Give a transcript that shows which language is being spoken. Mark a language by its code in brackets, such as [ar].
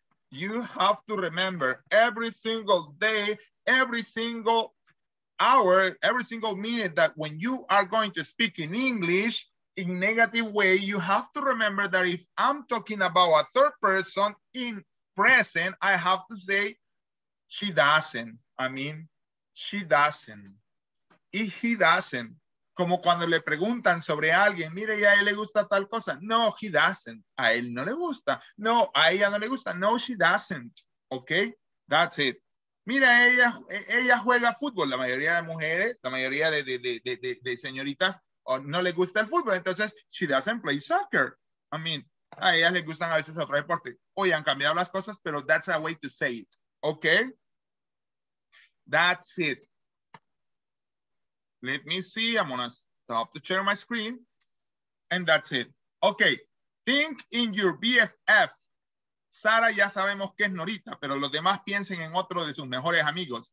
[en] You have to remember every single day, every single hour, every single minute that when you are going to speak in English in negative way, you have to remember that if I'm talking about a third person in present, I have to say, she doesn't. I mean, she doesn't. Y he doesn't. [es] Como cuando le preguntan sobre alguien, mire, ¿y a él le gusta tal cosa? [en] No, he doesn't. [es] A él no le gusta. No, a ella no le gusta. [en] No, she doesn't. Okay, that's it. [es] Mira, ella juega fútbol. La mayoría de mujeres, la mayoría de señoritas no le gusta el fútbol. Entonces, [en] she doesn't play soccer. I mean, [es] a ellas le gustan a veces otro deporte. Hoy han cambiado las cosas, pero [en] that's a way to say it. Okay, that's it. Let me see, I'm gonna stop to share my screen, and that's it. Okay, think in your BFF. [es] Sara, ya sabemos que es Norita, pero los demás piensen en otro de sus mejores amigos.